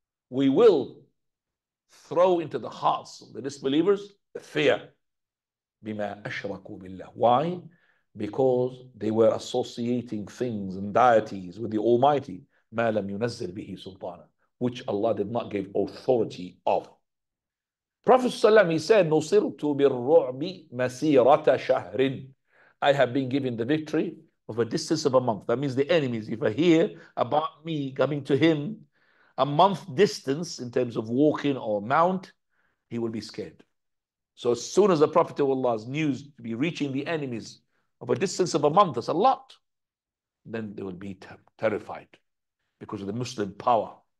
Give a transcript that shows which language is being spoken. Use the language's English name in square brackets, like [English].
[English] We will throw into the hearts of the disbelievers the fear. [Arabic] بِمَا أَشْرَكُوا بِاللَّهِ. [English] Why? Because they were associating things and deities with the Almighty. [Arabic] مَا لَمْ يُنَزِّلْ بِهِ سُلْطَانًا. [English] Which Allah did not give authority of. Prophet ﷺ, he said, [Arabic] نُصِرْتُ بِالرُّعْبِ مَسِيرَةَ شَهْرٍ. [English] I have been given the victory of a distance of a month. That means the enemies, if I hear about me coming to him a month distance in terms of walking or mount, he will be scared. So as soon as the Prophet of Allah's news to be reaching the enemies of a distance of a month, that's a lot, then they will be terrified because of the Muslim power.